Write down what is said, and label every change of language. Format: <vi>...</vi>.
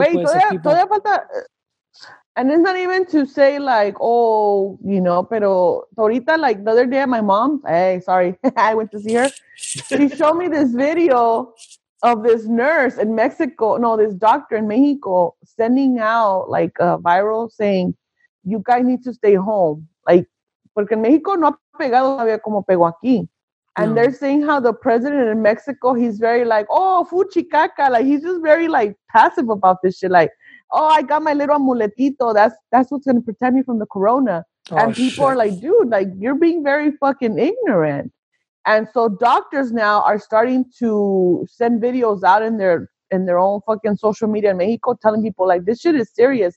<en>And it's not even to say like, oh, you know,</en> <es>pero ahorita,</es> <en>like the other day, my mom, hey, sorry, I went to see her. She showed me this video of this nurse in Mexico, no, this doctor in Mexico sending out like a viral saying, you guys need to stay home. Like,</en> <es>porque en Mexico no ha pegado todavía como pegó aquí.</es> <en>And they're saying how the president in Mexico, he's very like, oh,</en> <es>fuchi caca.</es> <en>Like, he's just very like passive about this shit. Like, oh, I got my little amuletito. That's what's going to protect me from the corona. Oh, and people shit. Are like, dude, like, you're being very fucking ignorant. And so doctors now are starting to send videos out in their own fucking social media in Mexico telling people, like, this shit is serious.</en>